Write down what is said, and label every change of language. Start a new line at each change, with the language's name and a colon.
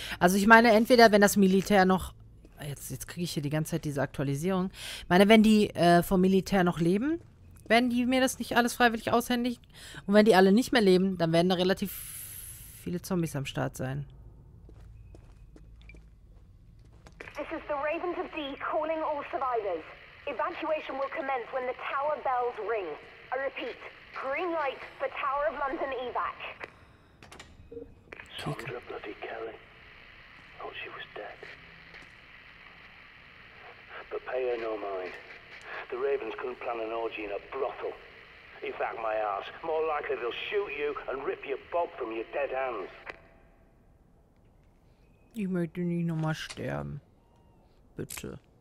German: Also ich meine, entweder wenn das Militär noch... Jetzt kriege ich hier die ganze Zeit diese Aktualisierung. Ich meine, wenn die vom Militär noch leben, werden die mir das nicht alles freiwillig aushändigen. Und wenn die alle nicht mehr leben, dann werden da relativ viele Zombies am Start sein.
English: This is the Ravens of Dee calling all survivors. Evacuation will commence when the tower bells ring. I repeat, green light for Tower of London evac. Sandra Bloody Kelly. Thought she was dead. But pay her no mind. The Ravens couldn't plan an orgy in a brothel. Evac my ass. More likely they'll shoot you and rip your bob from your dead hands.
German: Ich möchte nicht nochmal sterben. Bitte.